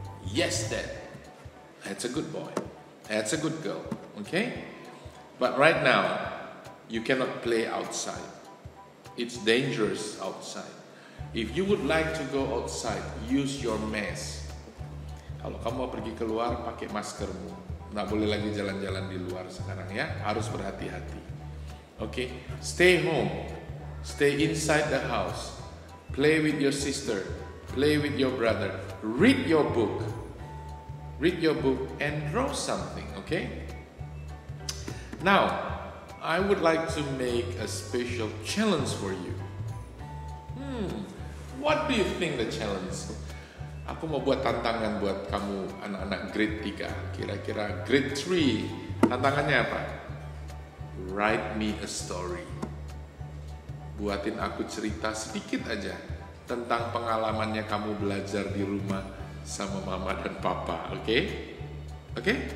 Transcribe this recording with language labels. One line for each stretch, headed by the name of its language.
English: Yes, dad. That's a good boy. That's a good girl." Okay? But right now, you cannot play outside. It's dangerous outside. If you would like to go outside, use your mask.
Indonesian: Kalau kamu mau pergi keluar, pakai maskermu. Nggak boleh lagi jalan-jalan di luar sekarang ya. Harus berhati-hati. Okay?
English: Stay home. Stay inside the house. Play with your sister. Play with your brother. Read your book. Read your book and draw something, okay? Now, I would like to make a special challenge for you. What do you think the challenge?
Indonesian: Aku mau buat tantangan buat kamu anak-anak grade 3. Kira-kira grade 3. Tantangannya apa?
English: Write me a story.
Indonesian: Buatin aku cerita sedikit aja tentang pengalamannya kamu belajar di rumah sama mama dan papa, oke? Oke?